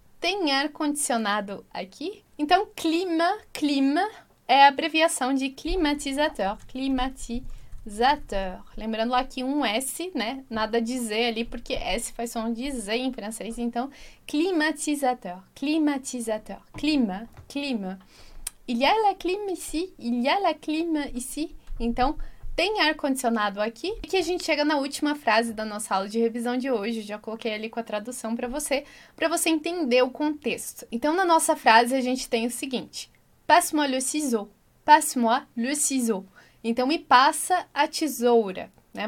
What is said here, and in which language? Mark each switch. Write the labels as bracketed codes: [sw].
[pt] Tem ar condicionado aqui? Então, clima é a abreviação de climatizador, climatizador. Lembrando lá que um S, né? Nada de Z ali, porque S faz som de Z em francês. Então, climatizador, climatizador, clima, clima. [fr] Il y a la clim ici, il y a la clim ici. [pt] Então, tem ar condicionado aqui? E que a gente chega na última frase da nossa aula de revisão de hoje. Já coloquei ali com a tradução para você entender o contexto. Então, na nossa frase, a gente tem o seguinte: [fr] Passe-moi le ciseau. Passe-moi le ciseau. [pt] Então, me passa a tesoura, né?